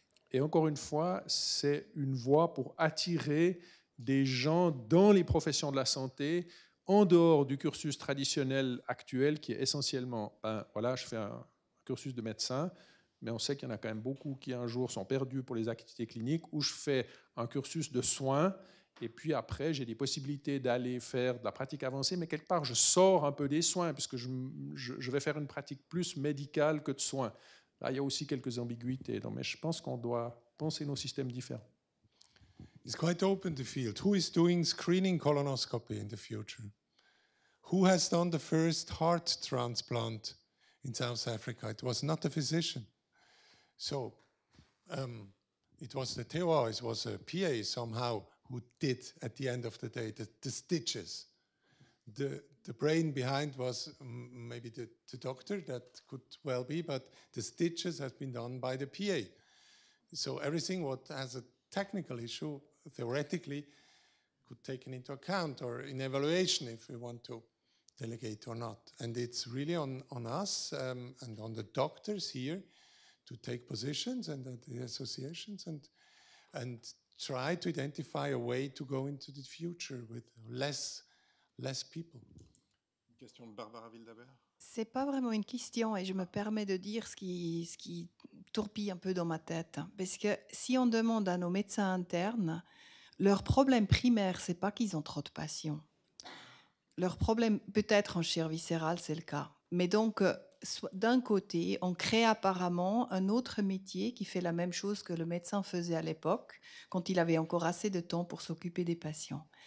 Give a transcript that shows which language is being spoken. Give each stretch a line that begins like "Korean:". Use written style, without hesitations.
French: Et encore une fois, c'est une voie pour attirer des gens dans les professions de la santé, en dehors du cursus traditionnel actuel, qui est essentiellement, je fais un cursus de médecin, mais on sait qu'il y en a quand même beaucoup qui un jour sont perdus pour les activités cliniques, ou je fais un cursus de soins, et puis après, j'ai des possibilités d'aller faire de la pratique avancée, mais quelque part, je sors un peu des soins, puisque je vais faire une pratique plus médicale que de soins. Là, il y a aussi quelques ambiguïtés, mais je pense qu'on doit penser nos systèmes différents.
English: It's quite open, the field. Who is doing screening colonoscopy in the future? Who has done the first heart transplant in South Africa? It was not a physician. So, it was the TOA, it was a PA somehow, who did, at the end of the day, the stitches. The brain behind was maybe the doctor, that could well be, but the stitches have been done by the PA. So everything what has a technical issue, theoretically, could take into account or in evaluation if we want to delegate or not. And it's really on us and on the doctors here to take positions and the associations and try to identify a way to go into the future with less people.
French: Question de Barbara Wildaber. C'est pas vraiment une question et je me permets de dire ce qui tourpille un peu dans ma tête. Parce que si on demande à nos médecins internes, leur problème primaire, c'est pas qu'ils ont trop de patients. Leur problème, peut-être en chirurgie viscérale, c'est le cas. Mais donc, d'un côté, on crée apparemment un autre métier qui fait la même chose que le médecin faisait à l'époque, quand il avait encore assez de temps pour s'occuper des patients.